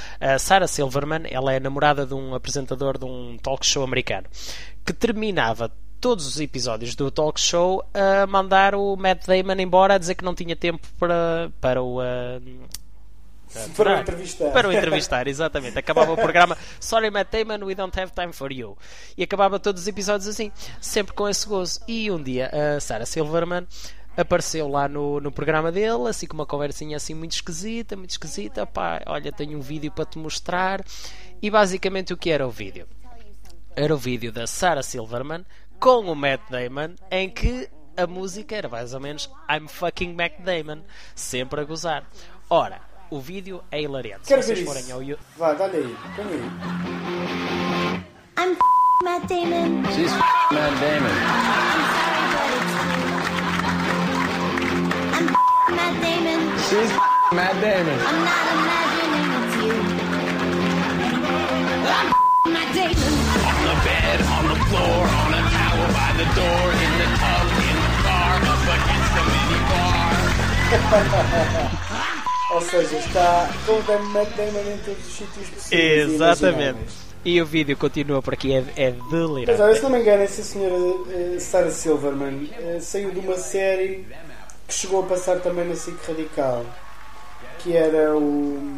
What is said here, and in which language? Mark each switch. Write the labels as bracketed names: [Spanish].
[Portuguese] A Sarah Silverman, ela é namorada de um apresentador de um talk show americano, que terminava todos os episódios do talk show a mandar o Matt Damon embora, a dizer que não tinha tempo para o entrevistar, exatamente. Acabava o programa: [English] "Sorry Matt Damon, we don't have time for you." [Portuguese] E acabava todos os episódios assim, sempre com esse gozo. E um dia a Sarah Silverman apareceu lá no programa dele, assim com uma conversinha assim muito esquisita, pá, olha, tenho um vídeo para te mostrar. E basicamente o que era o vídeo? Era o vídeo da Sarah Silverman com o Matt Damon, em que a música era mais ou menos [English] "I'm fucking Matt Damon", [Portuguese] sempre a gozar. Ora, o vídeo é hilariante. Quero ver isso. Vá, dá-lhe aí. Come aí. [English] "I'm fucking Matt Damon. She's fucking Matt Damon. I'm fucking Matt Damon. She's fucking Matt Damon. I'm not imagining it's you. I'm fucking Matt Damon. On the bed, on the floor, on a towel by the door, in the tub, in the car, up against the minibar." [Portuguese] Ou seja, está com o Matt Damon em todos os sítios possíveis. Exatamente. E o vídeo continua por aqui, é delirante. Mas, se não me engano, essa senhora Sarah Silverman saiu de uma série que chegou a passar também na SIC Radical, que era o...